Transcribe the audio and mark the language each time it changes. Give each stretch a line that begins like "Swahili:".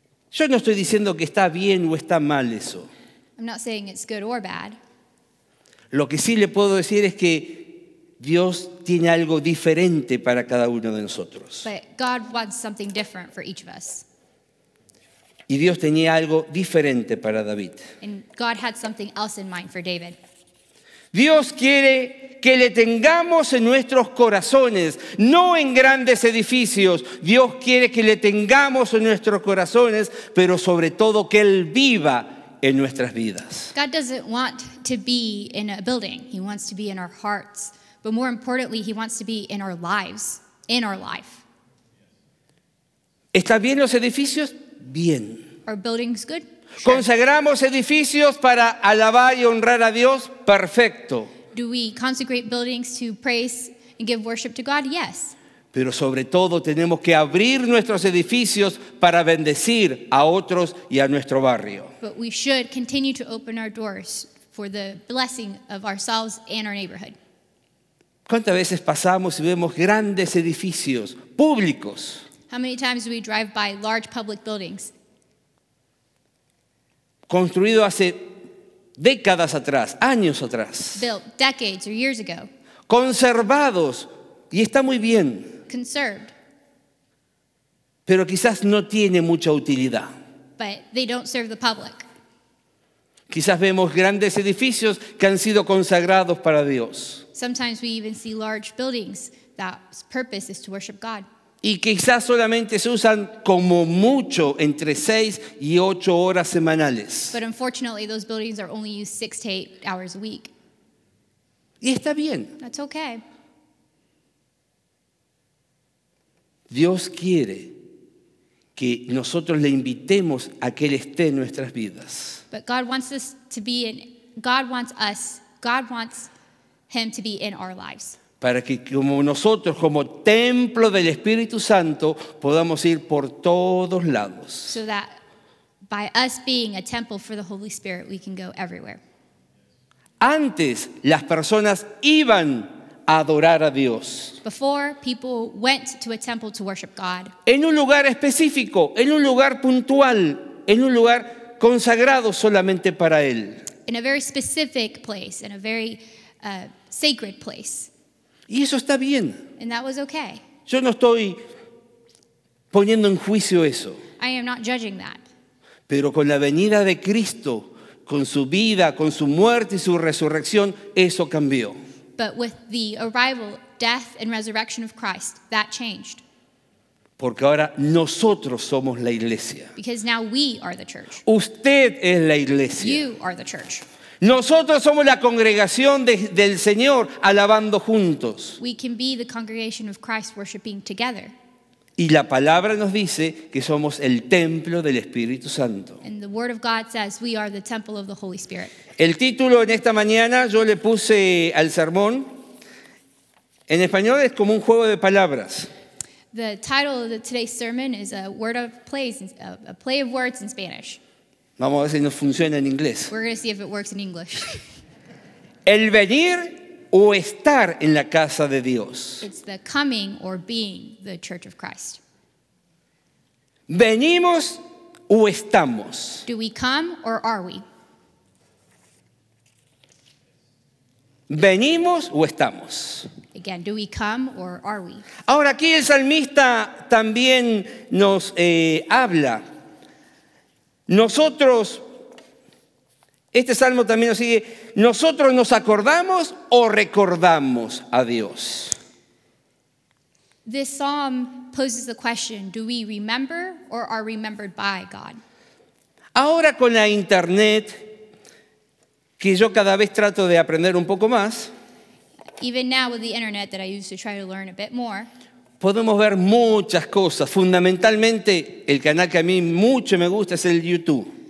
Spanish: Yo no estoy diciendo que está bien o está mal eso.
English: I'm not saying it's good or bad.
Spanish: Lo que sí le puedo decir es que Dios tiene algo diferente para cada uno de nosotros.
English: But God wants something different for each of us.
Spanish: Y Dios tenía algo diferente para David.
English: And God had something else in mind for David.
Spanish: Dios quiere que le tengamos en nuestros corazones, no en grandes edificios. Dios quiere que le tengamos en nuestros corazones, pero sobre todo que Él viva en nuestras vidas.
English: God doesn't want to be in a building. He wants to be in our hearts. But more importantly, He wants to be in our lives, in our life.
Spanish: ¿Están bien los edificios? Bien.
English: Are buildings good?
Spanish: Consagramos edificios para alabar y honrar a Dios. Perfecto.
English: Do we consecrate buildings to praise and give worship to God? Yes.
Spanish: Pero sobre todo tenemos que abrir nuestros edificios para bendecir a otros y a nuestro barrio.
English: But we should continue to open our doors for the blessing of ourselves and our neighborhood.
Spanish: ¿Cuántas veces pasamos y vemos grandes edificios públicos?
English: How many times do we drive by large public buildings?
Spanish: Construido hace décadas atrás, años atrás.
English: Built decades or years ago.
Spanish: Conservados, y está muy bien.
English: Conserved.
Spanish: Pero quizás no tiene mucha utilidad.
English: But they don't serve the public.
Spanish: Quizás vemos grandes edificios que han sido consagrados para Dios.
English: Sometimes we even see large buildings that's purpose is to worship God.
Spanish: Y quizás solamente se usan como mucho entre 6 y 8 horas semanales.
English: But unfortunately those buildings are only used 6 to 8 hours a week.
Spanish: Y está bien.
English: That's okay.
Spanish: Dios quiere que nosotros le invitemos a que Él esté en nuestras vidas.
English: But God wants us to be in, God wants us, God wants Him to be in our lives.
Spanish: Para que como nosotros, como templo del Espíritu Santo, podamos ir por todos lados.
English: So that by us being a temple for the Holy Spirit, we can go everywhere.
Spanish: Antes, las personas iban a adorar a Dios.
English: Before, people went to a temple to worship God.
Spanish: En un lugar específico, en un lugar puntual, en un lugar consagrado solamente para Él.
English: In a very specific place, in a very sacred place.
Spanish: Y eso está bien.
English: And that was okay.
Spanish: Yo no estoy poniendo en juicio eso.
English: I am not judging that.
Spanish: Pero con la venida de Cristo, con su vida, con su muerte y su resurrección, eso cambió.
English: But with the arrival, death, and resurrection of Christ, that changed.
Spanish: Porque ahora nosotros somos la iglesia.
English: Because now we are the church.
Spanish: Usted es la iglesia.
English: You are the church.
Spanish: Nosotros somos la congregación del Señor alabando juntos.
English: We can be the congregation of Christ worshiping together.
Spanish: Y la palabra nos dice que somos el templo del Espíritu Santo.
English: And the word of God says we are the temple of the Holy Spirit.
Spanish: El título en esta mañana yo le puse al sermón. En español es como un juego de palabras.
English: The title of today's sermon is a word of plays, a play of words in Spanish.
Spanish: Vamos a ver si nos funciona en inglés.
English: We're going to see if it works in English.
Spanish: El venir o estar en la casa de Dios.
English: It's the coming or being the church of Christ.
Spanish: Venimos o estamos.
English: Do we come or are we?
Spanish: Venimos o estamos.
English: Again, do we come or are we?
Spanish: Ahora aquí el salmista también nos habla. Nosotros, este salmo también nos sigue, nosotros nos acordamos o recordamos a Dios.
English: This psalm poses the question, do we remember or are remembered by God?
Spanish: Ahora con la internet, que yo cada vez trato de aprender un poco más,
English: even now with the internet that I used to try to learn a bit more,
Spanish: podemos ver muchas cosas. Fundamentalmente, el canal que a mí mucho me gusta es el YouTube.